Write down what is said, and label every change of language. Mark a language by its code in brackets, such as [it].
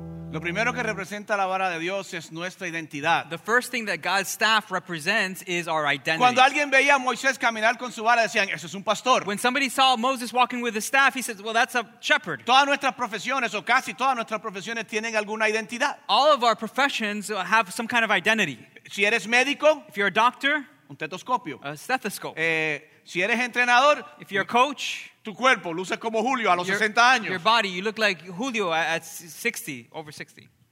[es] Lo primero que representa la vara de Dios es nuestra identidad. [en] The first thing that God's staff represents is our identity. [es] Cuando alguien veía a Moisés caminar con su vara, decían, "Ese es un pastor." [en] When somebody saw Moses walking with his staff, he says, "Well, that's a shepherd." [es] Todas nuestras profesiones, o casi todas nuestras profesiones, tienen alguna identidad. [en] All of our professions have some kind of identity. [es] Si eres médico, [en] if you're a doctor, [es] un tetoscopio, [en] a stethoscope. [es] Si eres entrenador, [en] if you're a coach, [es] tu cuerpo luce como Julio a los 60 años. [en] Your body, you look like Julio at 60, over 60.